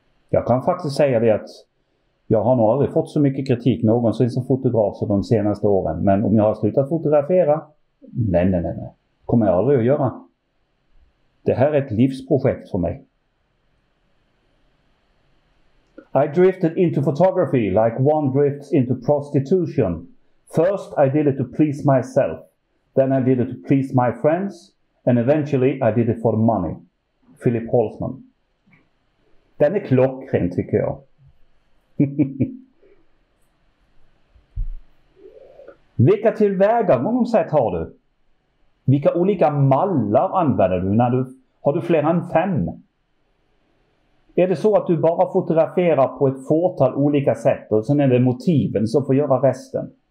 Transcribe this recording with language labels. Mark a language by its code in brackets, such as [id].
[sv] Jag kan faktiskt säga det att jag har nog aldrig fått så mycket kritik någonsin som fotograf de senaste åren. Men om jag har slutat fotografera? Nej. Kommer jag aldrig att göra. Det här är ett livsprojekt för mig. [en] I drifted into photography like one drifts into prostitution. First I did it to please myself. Then I did it to please my friends. And eventually I did it for money. Philip Holzman. [sv] Den är klockren tycker jag. Vilka tillvägagångssätt har du? Vilka olika mallar använder du? Har du fler än fem? Är det så att du bara fotograferar på ett fåtal olika sätt och sen är det motiven som får göra resten?